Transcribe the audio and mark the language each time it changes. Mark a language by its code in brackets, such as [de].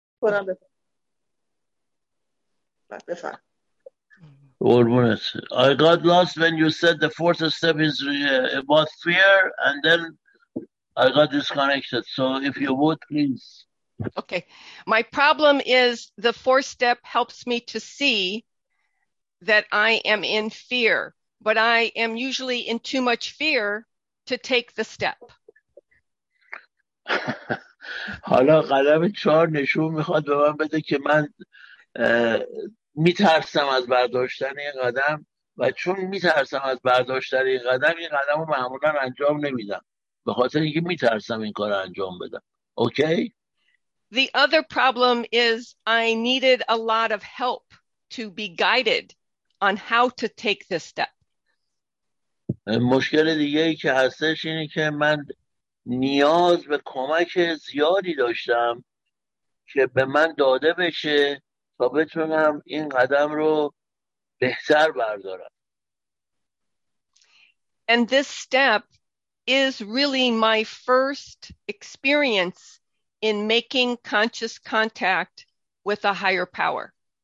[en] I got lost when you said the fourth step is about fear, and then I got disconnected. So if you would, please. Okay. My problem is the fourth step helps me to see that I am in fear, but I am usually in too much fear to take the step. [fa] حالا قلم چهار نشون میخواد به من بده که من میترسم از برداشتن این قدم و چون میترسم از برداشتن این قدم این قدم رو معمولا انجام نمیدم به خاطر اینکه میترسم این کار انجام بدم. [en] Okay? The other problem is I needed a lot of help to be guided on how to take this step. [fa] مشکل دیگه ای که هستش اینه که من نیاز به کمک زیادی داشتم که به من داده بشه تا بتونم این قدم رو بهتر بردارم. [en] And this step is really my first experience in making conscious contact with a higher power.